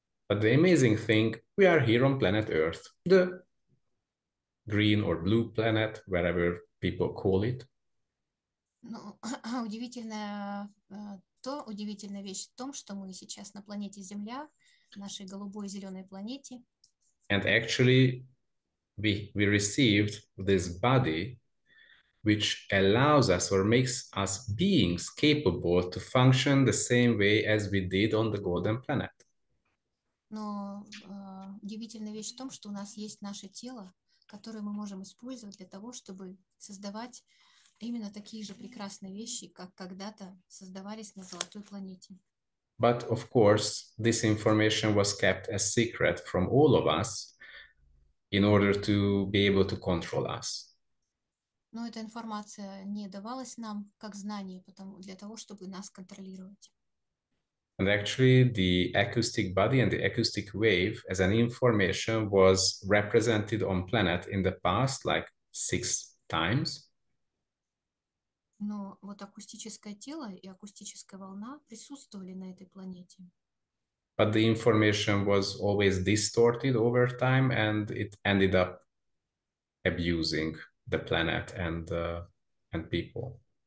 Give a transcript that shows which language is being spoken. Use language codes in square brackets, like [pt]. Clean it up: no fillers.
[en] But the amazing thing, we are here on planet Earth, the green or blue planet, wherever people call it. [ru] Ну, удивительная вещь в том, что мы сейчас на планете Земля, нашей голубой зеленой планете. [en] And actually, we received this body, which allows us or makes us beings capable to function the same way as we did on the golden planet. [ru] Но удивительная вещь в том, что у нас есть наше тело, которое мы можем использовать для того, чтобы создавать именно такие же прекрасные вещи, как когда-то создавались на золотой планете. [en] But of course, this information was kept a secret from all of us in order to be able to control us. [ru] Но эта информация не давалась нам как знание, потому для того, чтобы нас контролировать. [en] And actually, the acoustic body and the acoustic wave as an information was represented on planet in the past like 6 times. [ru] Но вот акустическое тело и акустическая волна присутствовали на этой планете. [en] But the information was always distorted over time and it ended up abusing the planet and people.